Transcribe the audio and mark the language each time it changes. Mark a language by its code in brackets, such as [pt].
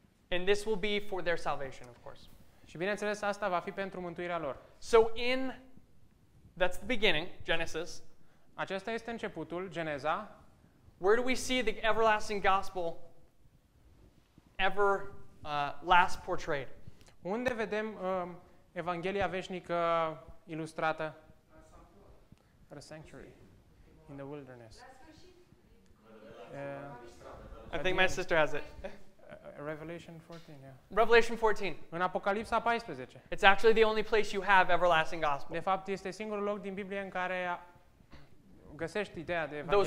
[en] And this will be for their salvation, of course. [ro] Și bineînțeles, asta va fi pentru mântuirea lor. [en] So in, that's the beginning, Genesis. [ro] Acesta este începutul, Geneza. [en] Where do we see the everlasting gospel ever last portrayed? [ro] Unde vedem evanghelia veșnică ilustrată? [en] At a sanctuary, in the wilderness. I think my sister has it. Revelation 14. [ro] În Apocalipsa 14. [en] It's actually the only place you have everlasting gospel. [ro] De fapt, este singurul loc din Biblie în care găsești ideea de evanghelie.